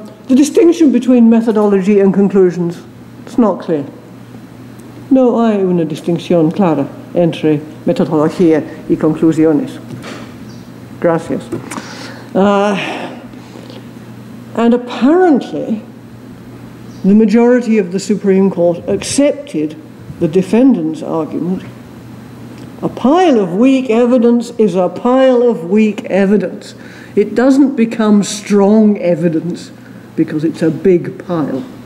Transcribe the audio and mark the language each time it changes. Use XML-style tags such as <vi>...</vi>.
<en>The distinction between methodology and conclusions, it's not clear.</en> <es>No hay una distinción clara entre metodología y conclusiones. Gracias.</es> <en>And apparently, the majority of the Supreme Court accepted the defendant's argument. A pile of weak evidence is a pile of weak evidence. It doesn't become strong evidence because it's a big pile.</en>